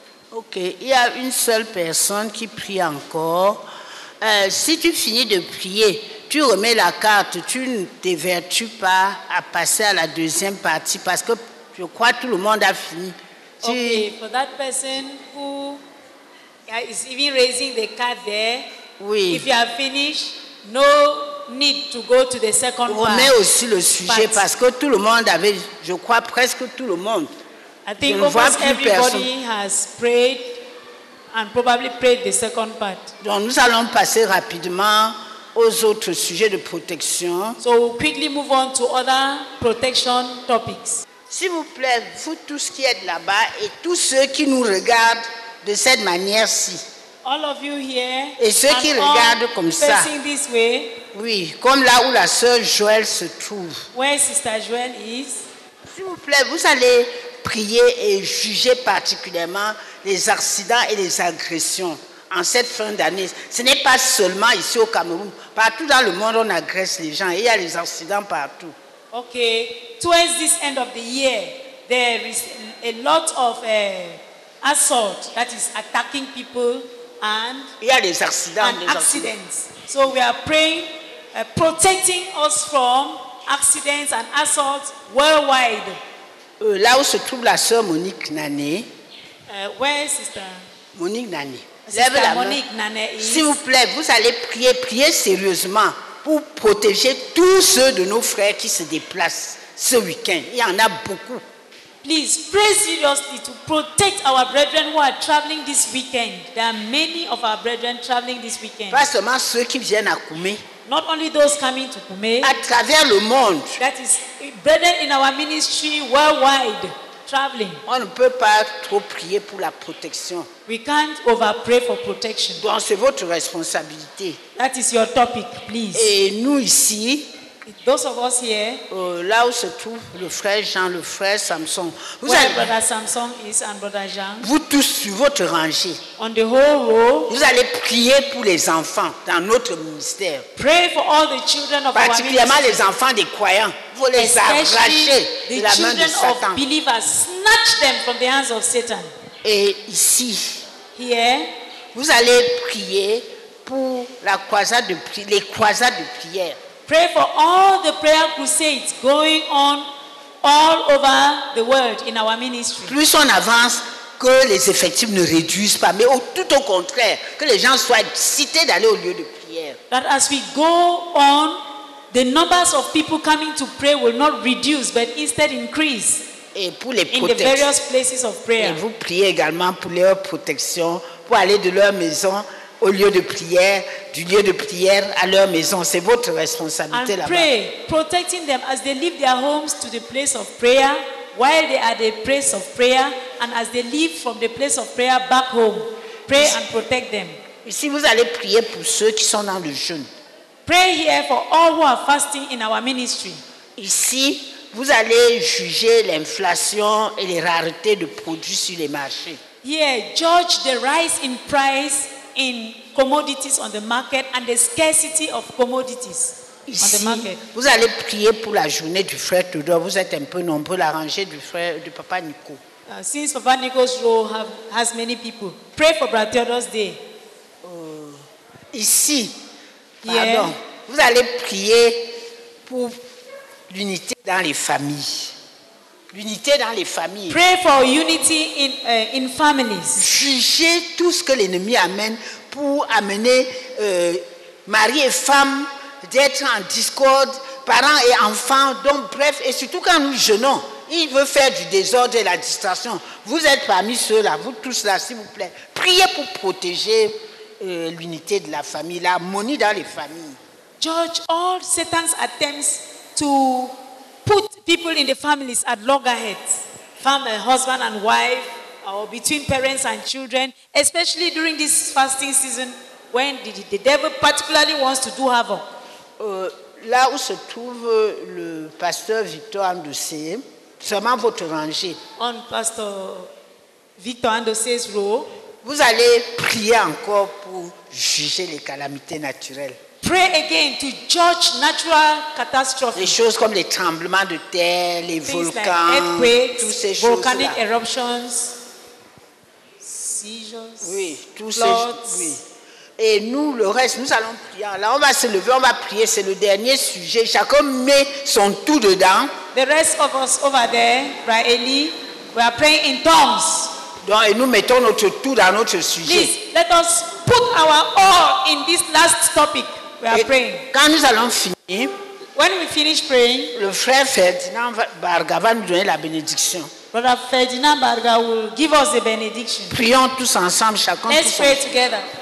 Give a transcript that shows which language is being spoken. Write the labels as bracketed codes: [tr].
[fr] Okay, il y a une seule personne qui prie encore. Si tu finis de prier, tu remets la carte, tu ne t'évertues pas à passer à la deuxième partie parce que je crois que tout le monde a fini. Tu... [en] Okay, for that person who is even raising the card there, [fr] oui. [en] If you have finished, no need to go to the second part. [fr] Remets aussi le sujet part. Parce que tout le monde avait, je crois presque tout le monde. [en] I think [fr] je ne vois plus [en] everybody [fr] personne. [en] Has prayed. And probably pray the second part. [fr] Donc nous allons passer rapidement aux autres sujets de protection. [en] So we'll quickly move on to other protection topics. [fr] S'il vous plaît, vous tous qui êtes là-bas et tous ceux qui nous regardent de cette manière-ci. [en] All of you here. [fr] Et ceux qui regardent comme ça. [en] Facing this way. [fr] Oui, comme là où la sœur Joël se trouve. [en] Where Sister Joël is. [fr] S'il vous plaît, vous allez prier et juger particulièrement les accidents et les agressions en cette fin d'année. Ce n'est pas seulement ici au Cameroun. Partout dans le monde, on agresse les gens. Il y a les accidents partout. OK. [en] Towards this end of the year, there is a lot of assault that is attacking people and [fr] il y a les accidents, [en] and accidents. So we are praying, protecting us from accidents and assaults worldwide. [fr] Là où se trouve la sœur Monique Nané. [en] Where is Sister Monique Nané? [fr] Lève la main. S'il vous plaît, vous allez prier, prier sérieusement pour protéger tous ceux de nos frères qui se déplacent ce week-end. Il y en a beaucoup. [en] Please pray seriously to protect our brethren who are traveling this weekend. There are many of our brethren traveling this weekend. [fr] Pas seulement ceux qui viennent à Koumé. [en] Not only those coming to Koumé. [fr] À travers le monde. [en] That is brethren in our ministry worldwide. Traveling. [fr] On ne peut pas trop prier pour la protection. [en] We can't over pray for protection. [fr] Donc c'est votre responsabilité. [en] That is your topic, please. [fr] Et nous ici, [en] those of us here, [fr] là où se trouve le frère Jean, le frère Samson, vous [en] where [fr] allez, [en] brother Samson is and brother Jean, [fr] vous tous sur votre rangée, [en] on the whole row, [fr] vous allez prier pour les enfants dans notre ministère. [en] Pray for all the children of [fr] particulièrement les enfants des croyants. Vous les arrachez de la main de Satan. Et ici, [en] here, [fr] vous allez prier pour la croisade de les croisades de prière. [en] Pray for all the prayer crusades going on all over the world in our ministry. [fr] Plus on avance, que les effectifs ne réduisent pas, mais tout au contraire, que les gens soient cités d'aller au lieu de prière. [en] That as we go on, the numbers of people coming to pray will not reduce, but instead increase. [fr] Et pour les [en] in the various places of prayer. [fr] Et vous priez également pour leur protection, pour aller de leur maison au lieu de prière, du lieu de prière à leur maison. C'est votre responsabilité [en] and [fr] là-bas. [en] Pray, protecting them as they leave their homes to the place of prayer, while they are the place of prayer, and as they leave from the place of prayer back home. Pray and protect them. [fr] Ici, vous allez prier pour ceux qui sont dans le jeûne. [en] Pray here for all who are fasting in our ministry. [fr] Ici, vous allez juger l'inflation et les raretés de produits sur les marchés. [en] Here, judge the rise in price in commodities on the market and the scarcity of commodities. [fr] Ici, vous allez prier pour la journée du frère Tudor. Vous êtes un peu nombreux, la rangée du frère, de papa Nico. [en] Since Papa Nico's role has many people, pray for Brother Theodore's day. [fr] Ici, pardon, [en] yeah. [fr] Vous allez prier pour l'unité dans les familles. L'unité dans les familles. [en] Pray for unity in families. [fr] Jugez tout ce que l'ennemi amène pour amener mari et femme d'être en discorde, parents et enfants, donc bref, et surtout quand nous jeûnons, il veut faire du désordre et la distraction. Vous êtes parmi ceux-là, vous tous là, s'il vous plaît. Priez pour protéger l'unité de la famille, l'harmonie dans les familles. [en] Judge all Satan's attempts to put people in the families at loggerheads, family, husband and wife, or between parents and children, especially during this fasting season, when the devil particularly wants to do havoc. [fr] Là où se trouve le pasteur Victor Andossé, seulement votre rangée. [en] On pasteur Victor Andossé's row. [fr] Vous allez prier encore pour juger les calamités naturelles. [en] Pray again to judge natural catastrophes. [fr] Les choses comme les tremblements de terre, les [en] things [fr] volcans, [en] like earthquakes, [fr] toutes ces [en] volcanic [fr] choses-là. [en] Eruptions, seizures, [fr] oui, tous ces oui. Et nous, le reste, nous allons prier. Là, on va se lever, on va prier. C'est le dernier sujet. Chacun met son tout dedans. [en] The rest of us over there, right, Eli, we are praying in tongues. [fr] Donc, et nous mettons notre tout dans notre sujet. [en] Please, let us put our all in this last topic. We are [fr] et [en] praying. [fr] Quand nous allons finir, [en] when we finish praying, [fr] le frère Ferdinand Barga va nous donner la bénédiction. [en] Brother Ferdinand Barga will give us the benediction. [fr] Prions tous ensemble, chacun. [en] Let's pray together.